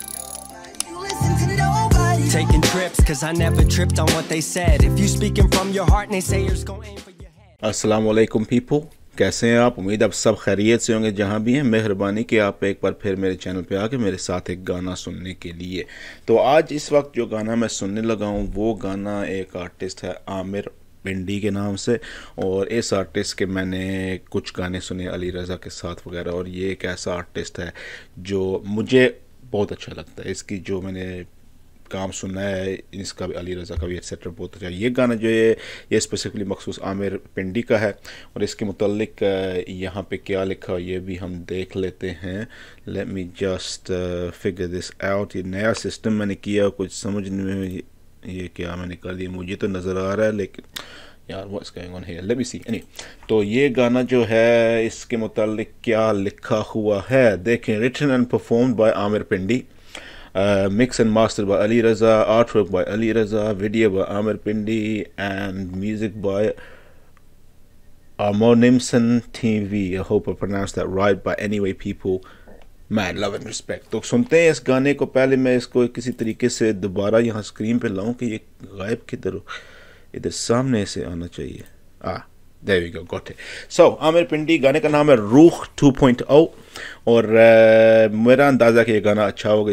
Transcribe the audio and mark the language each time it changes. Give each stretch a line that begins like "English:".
English: taking trips, cause I never tripped on what they said. If you speaking from your heart and they say you're gonna aim for your head.
Hindi: Assalamu alaikum people, कैसे हैं आप? उम्मीद आप सब खैरियत से होंगे जहाँ भी हैं। मेहरबानी कि आप एक बार फिर मेरे चैनल पे आके मेरे साथ एक गाना सुनने के लिए। तो आज इस वक्त जो गाना मैं सुनने लगा हूँ वो गाना एक आर्टिस्ट है आमिर पिंडी के नाम से, और इस आर्टिस्ट के मैंने कुछ गाने सुने अली रज़ा के साथ वगैरह, और ये एक ऐसा आर्टिस्ट है जो मुझे बहुत अच्छा लगता है। इसकी जो मैंने काम सुना है, इसका भी अली रज़ा का भी एक्सेट्रा, बहुत अच्छा। ये गाना जो है ये स्पेसिफिकली मखसूस आमिर पिंडी का है, और इसके मुतल्लिक यहाँ पे क्या लिखा ये भी हम देख लेते हैं।
English: Let me just figure this out.
Hindi: ये नया सिस्टम मैंने किया, कुछ समझ में ये क्या मैंने कर दिया, मुझे तो नज़र आ रहा है लेकिन यार
English: What is going on here, let me see.
Hindi: Any तो ये गाना जो है इसके मुतल्लिक क्या लिखा हुआ है देखें।
English: Written and performed by Amir Pindi, mix and master by Ali Raza, artwork by Ali Raza, video by Amir Pindi, and music by Amonimson TV. I hope I pronounced that right, but anyway people, mad love and respect.
Hindi: तो सुनते हैं इस गाने को, पहले मैं इसको किसी तरीके से दोबारा यहाँ स्क्रीन पे लाऊं कि ये गायब किधर हो, इधर सामने से आना चाहिए।
English: There we go, got it.
Hindi: So, Amir Pindi, गाने का नाम है रूख 2.0, और मेरा अंदाज़ा कि ये गाना अच्छा होगा।